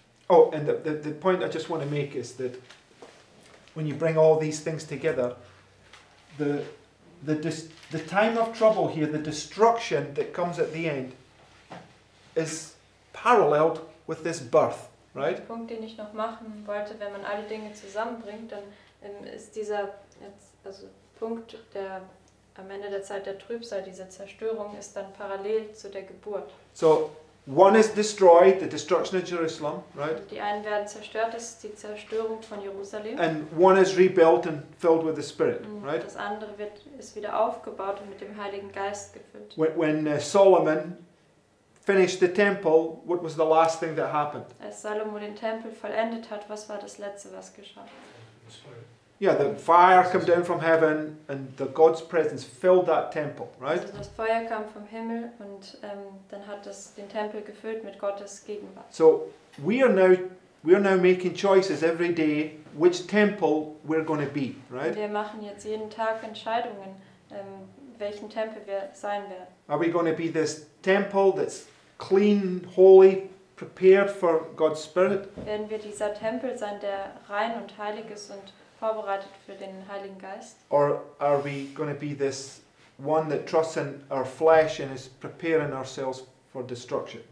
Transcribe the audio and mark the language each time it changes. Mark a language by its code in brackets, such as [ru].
[en] Oh, and the point I just want to make is that when you bring all these things together, the time of trouble here, the destruction that comes at the end, is paralleled with this birth. Right? [de] Der Punkt, den ich noch machen wollte, wenn man alle Dinge zusammenbringt, dann ist dieser jetzt, also Punkt der am Ende der Zeit der Trübsal, diese Zerstörung, ist dann parallel zu der Geburt. [en] So, one is destroyed, the destruction of Jerusalem, right? [de] Die einen werden zerstört, das ist die Zerstörung von Jerusalem. [en] And one is rebuilt and filled with the Spirit, right? [de] Das andere wird ist wieder aufgebaut und mit dem Heiligen Geist gefüllt. [en] When Solomon finished the temple, what was the last thing that happened? [de] Als Salomo den Tempel vollendet hat, was war das letzte, was geschah? [en] Yeah, the fire came down from heaven and the God's presence filled that temple, right? [de] Also das Feuer kam vom Himmel und dann hat das den Tempel gefüllt mit Gottes Gegenwart. [en] So we are now making choices every day which temple we're going to be, right? [de] Wir machen jetzt jeden Tag Entscheidungen, welchen Tempel wir sein werden. [en] Are we going to be this temple that's clean, holy, prepared for God's Spirit? [de] Werden wir dieser Tempel sein, der rein und heilig ist und vorbereitet für den Heiligen Geist? [en] Or are we going to be this one that trusts in our flesh and is preparing ourselves for destruction?